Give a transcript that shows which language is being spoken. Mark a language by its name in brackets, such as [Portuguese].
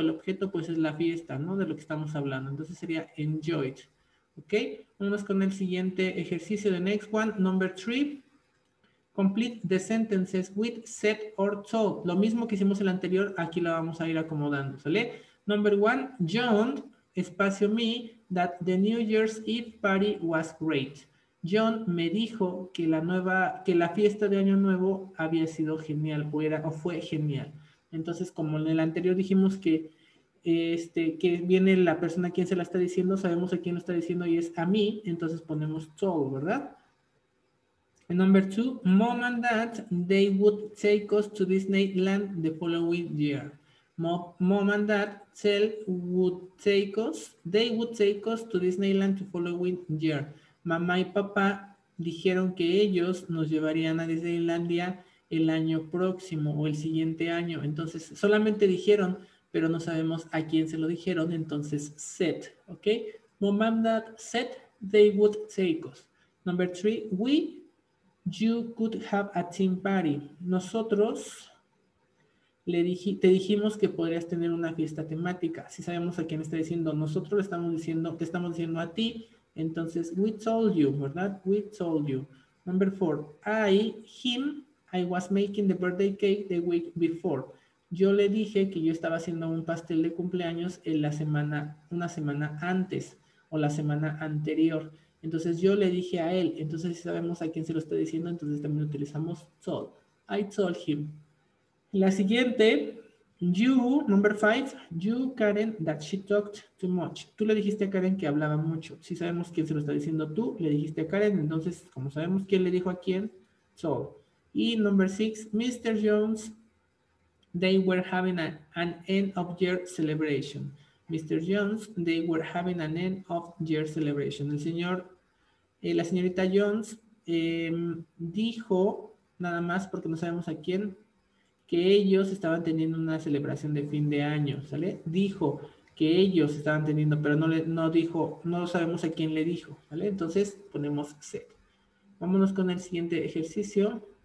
[Spanish] El objeto pues es la fiesta, ¿no? De lo que estamos hablando. Entonces sería enjoyed, ¿ok? Vamos con el siguiente ejercicio, [English] the next one, number three. Complete the sentences with said or told. [Spanish] Lo mismo que hicimos el anterior, aquí la vamos a ir acomodando, ¿sale? [English] Number one, John, espacio me, that the New Year's Eve party was great. [Spanish] John me dijo que la fiesta de Año Nuevo había sido genial, o fue genial. Entonces, como en el anterior dijimos que viene la persona quien se la está diciendo, sabemos a quién lo está diciendo y es a mí, entonces ponemos told, ¿verdad? [English] And number two, mom and dad, they would take us to Disneyland the following year. Mom and dad would take us to Disneyland the following year. [Spanish] Mamá y papá dijeron que ellos nos llevarían a Disneylandia el año próximo o el siguiente año. Entonces, solamente dijeron, pero no sabemos a quién se lo dijeron. Entonces, said, ¿ok? [English] Mom and dad said they would take us. Number three, you could have a team party. [Spanish] Nosotros te dijimos que podrías tener una fiesta temática. Si sabemos a quién está diciendo, nosotros te estamos diciendo a ti. [English] Entonces, we told you, ¿verdad? We told you. Number four, I was making the birthday cake the week before. [Spanish] Yo le dije que yo estaba haciendo un pastel de cumpleaños en una semana antes o la semana anterior. Entonces, yo le dije a él. Entonces, si sabemos a quién se lo está diciendo, entonces también utilizamos told. [English] I told him. [Spanish] La siguiente, [English] number five, you, Karen, that she talked too much. [Spanish] Tú le dijiste a Karen que hablaba mucho. Si sabemos quién se lo está diciendo tú, le dijiste a Karen. Entonces, como sabemos quién le dijo a quién, told. [English] Y number six, Mr. Jones, they were having an end-of-year celebration. Mr. Jones, they were having an end-of-year celebration. [Spanish] La señorita Jones dijo, nada más porque no sabemos a quién, que ellos estaban teniendo una celebración de fin de año, ¿sale? Dijo que ellos estaban teniendo, pero no sabemos a quién le dijo, ¿sale? Entonces ponemos set. Vámonos con el siguiente ejercicio.